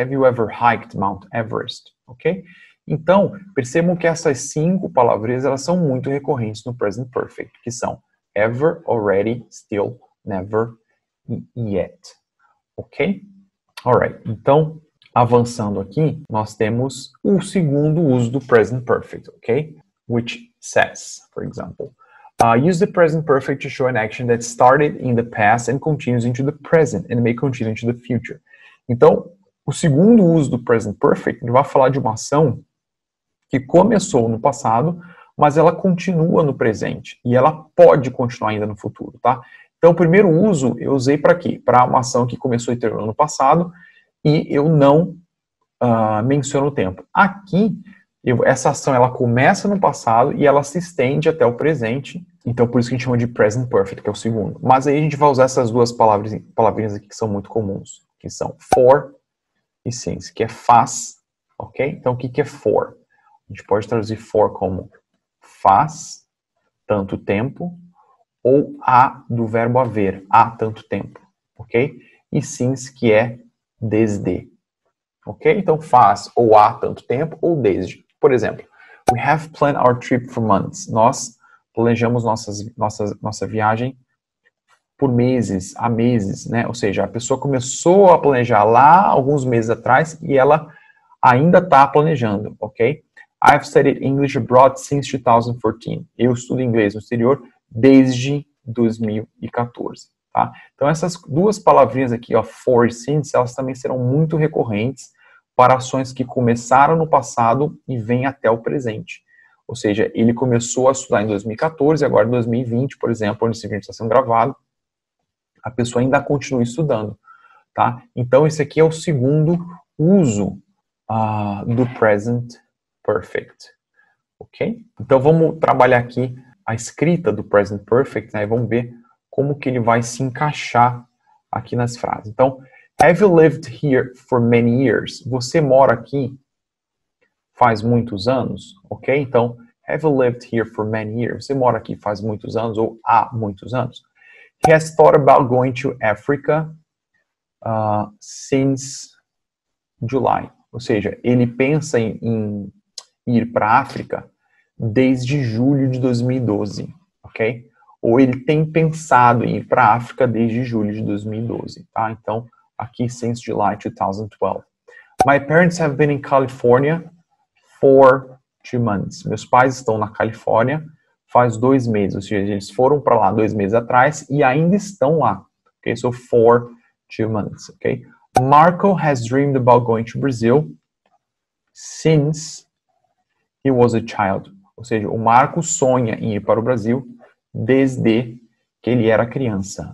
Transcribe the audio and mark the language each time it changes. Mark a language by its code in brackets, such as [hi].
[en] Have you ever hiked Mount Everest? [pt] Ok? Então, percebam que essas cinco palavras, elas são muito recorrentes no present perfect, que são ever, already, still, never e yet. Ok? Alright. Então, avançando aqui, nós temos o segundo uso do present perfect, ok? [en] Which says, for example, use the present perfect to show an action that started in the past and continues into the present and may continue into the future. [pt] Então, o segundo uso do present perfect vai falar de uma ação que começou no passado, mas ela continua no presente e ela pode continuar ainda no futuro, tá? Então, o primeiro uso eu usei para quê? Para uma ação que começou e terminou no passado e eu não menciono o tempo. Aqui, essa ação ela começa no passado e ela se estende até o presente. Então, por isso que a gente chama de present perfect, que é o segundo. Mas aí a gente vai usar essas duas palavrinhas aqui que são muito comuns, que são for e since, que é faz, ok? Então, o que que é for? A gente pode traduzir for como faz tanto tempo ou há do verbo haver, há tanto tempo, ok? E since, que é desde, ok? Então, faz ou há tanto tempo ou desde. Por exemplo, [en] we have planned our trip for months. [pt] Nós planejamos nossa viagem por meses, há meses, né? Ou seja, a pessoa começou a planejar lá alguns meses atrás e ela ainda está planejando, ok? [en] I've studied English abroad since 2014. [pt] Eu estudo inglês no exterior desde 2014, tá? Então, essas duas palavrinhas aqui, ó, for e since, elas também serão muito recorrentes para ações que começaram no passado e vêm até o presente. Ou seja, ele começou a estudar em 2014, agora em 2020, por exemplo, onde esse vídeo está sendo gravado, a pessoa ainda continua estudando, tá? Então, esse aqui é o segundo uso, do present perfect. Ok? Então vamos trabalhar aqui a escrita do present perfect, né? E vamos ver como que ele vai se encaixar aqui nas frases. Então, [en] have you lived here for many years? [pt] Você mora aqui faz muitos anos? Ok? [en] Então, have you lived here for many years? [pt] Você mora aqui faz muitos anos ou há muitos anos? [en] He has thought about going to Africa since July. [pt] Ou seja, ele pensa em ir para a África desde julho de 2012, ok? Ou ele tem pensado em ir para a África desde julho de 2012, tá? Então, aqui, [en] since July 2012. My parents have been in California for 2 months. [pt] Meus pais estão na Califórnia faz 2 meses. Ou seja, eles foram para lá 2 meses atrás e ainda estão lá. [en] Ok, so for 2 months. Ok. Marco has dreamed about going to Brazil since he was a child. [pt] Ou seja, o Marco sonha em ir para o Brasil desde que ele era criança.